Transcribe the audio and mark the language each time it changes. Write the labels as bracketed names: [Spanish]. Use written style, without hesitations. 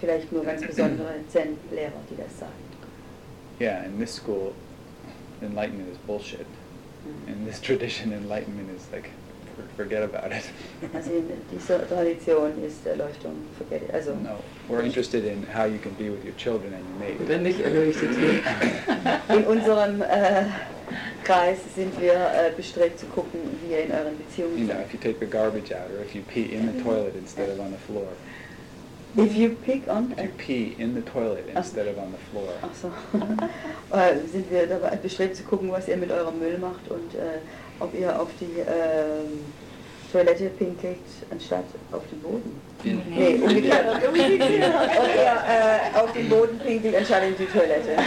[German] Vielleicht nur ganz besondere Zen-Lehrer, die das sagen. [English] Yeah, in this school, enlightenment is bullshit. In this tradition, enlightenment is like, forget about it. [German] Also in dieser Tradition ist Erleuchtung, [English] forget it. [German] Also [English] no, we're interested in how you can be with your children and your mate. [German] Wenn nicht erleuchtet wird. In unserem Kreis sind wir bestrebt zu gucken, wie ihr in euren Beziehungen seid. [English] You know, if you take the garbage out, or if you pee in the toilet instead of on the floor. If you pee in the toilet instead of on the floor. [German] Ach so. sind wir dabei bestrebt zu gucken, was ihr mit eurem Müll macht und ob ihr auf die Toilette pinkelt, anstatt auf den Boden. Ob ihr auf den Boden pinkelt, anstatt in die Toilette.